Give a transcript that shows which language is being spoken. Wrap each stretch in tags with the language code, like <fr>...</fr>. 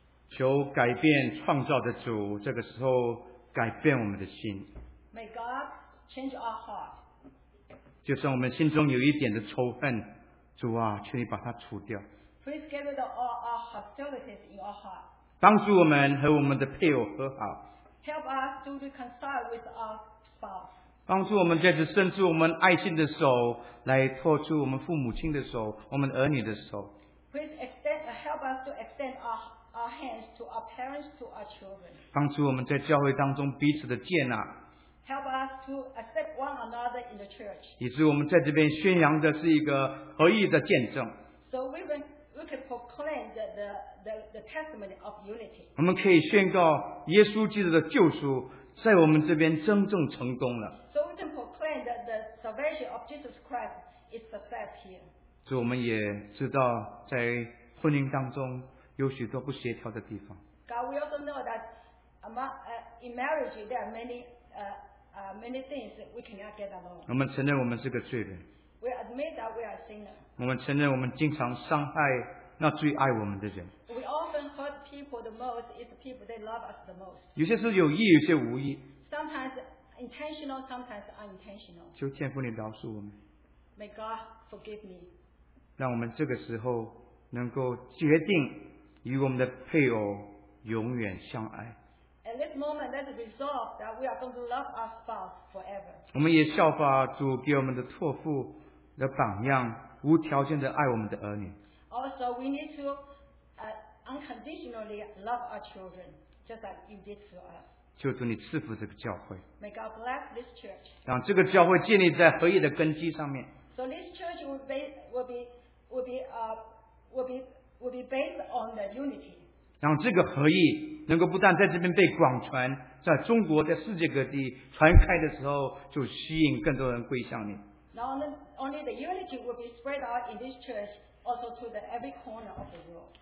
<zh>求改变创造的主，这个时候改变我们的心。</zh> <en>May God change our heart.</en> <zh>就算我们心中有一点的仇恨，主啊，求你把它除掉。</zh> <en>Please get rid of all our hostilities in our heart.</en> <zh>帮助我们和我们的配偶和好。</zh> <en>Help us to reconcile with our spouse.</en> <zh>帮助我们借着伸出我们爱心的手，来托住我们父母亲的手，我们儿女的手。</zh> <en>Please extend, help us to extend our hands to our parents, to our children.</en> <zh>帮助我们在教会当中彼此的接纳。</zh> <en>Help us to accept one another in the church.</en> <zh>以致我们在这边宣扬的是一个合一的见证。</zh> <en>So we can proclaim the testimony of unity.</en> <zh>我们可以宣告耶稣基督的救赎在我们这边真正成功了。</zh> <en>So we can proclaim that the salvation of Jesus Christ is successful here.</en> <zh>主，我们也知道在婚姻当中有许多不协调的地方。</zh> <en>God, we also know that in marriage there are many things we cannot get along.</en> <zh>我们承认我们是个罪人。</zh> <en>We admit that we are sinners.</en> <zh>我们承认我们经常伤害那最爱我们的人。</zh> <en>We often hurt people the most is the people that love us the most.</en> <zh>有些是有意，有些无意。</zh> <en>Sometimes intentional, sometimes unintentional.</en> <zh>求天父你饶恕我们。</zh> <en>May God forgive me.</en> <zh>让我们这个时候能够决定与我们的配偶永远相爱。</zh> <en>At this moment, let's resolve that we are going to love our spouse forever.</en> <zh>我们也效法主给我们的托付的榜样，无条件的爱我们的儿女。</zh> <en>Also, we need to unconditionally love our children, just like you did for us.</en> <zh>求主你赐福这个教会。</zh> <en>May God bless this church.</en> <zh>让这个教会建立在合一的根基上面。</zh> <en>So this church will be based on the unity.</en> <zh>让这个合一能够不但在这边被广传，在中国，在世界各地传开的时候，就吸引更多人归向你。</zh> <en>Not only the unity will be spread out in this church, also to the every corner of the world.</en>